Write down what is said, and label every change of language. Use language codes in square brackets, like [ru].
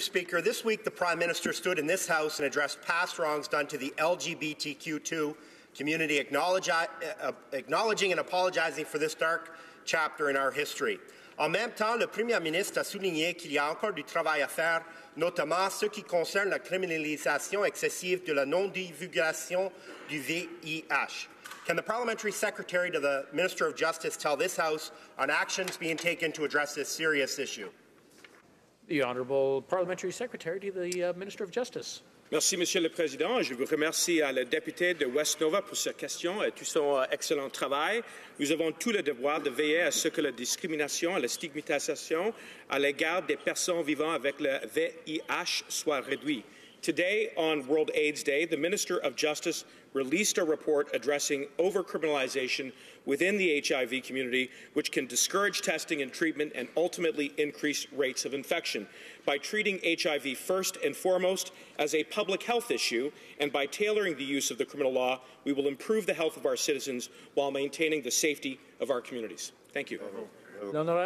[en] Speaker, this week the Prime Minister stood in this House and addressed past wrongs done to the LGBTQ2 community, acknowledging and apologizing for this dark chapter in our history. [fr] En même temps, le Premier ministre a souligné qu'il y a encore du travail à faire, notamment ce qui concerne la criminalisation excessive de la non-divulgation du VIH. [en] Can the Parliamentary Secretary to the Minister of Justice tell this House on actions being taken to address this serious issue? The Honourable Parliamentary Secretary to the Minister of Justice. [fr] Merci, Monsieur le Président. Je veux remercier le député de West Nova pour sa question et tout son excellent travail. Nous avons tout le devoir de veiller à ce que la discrimination et la stigmatisation à l'égard des personnes vivant avec le VIH soient réduites. [en] Today, on World AIDS Day, the Minister of Justice released a report addressing over-criminalization within the HIV community, which can discourage testing and treatment and ultimately increase rates of infection. By treating HIV first and foremost as a public health issue, and by tailoring the use of the criminal law, we will improve the health of our citizens while maintaining the safety of our communities. Thank you. No, no, no.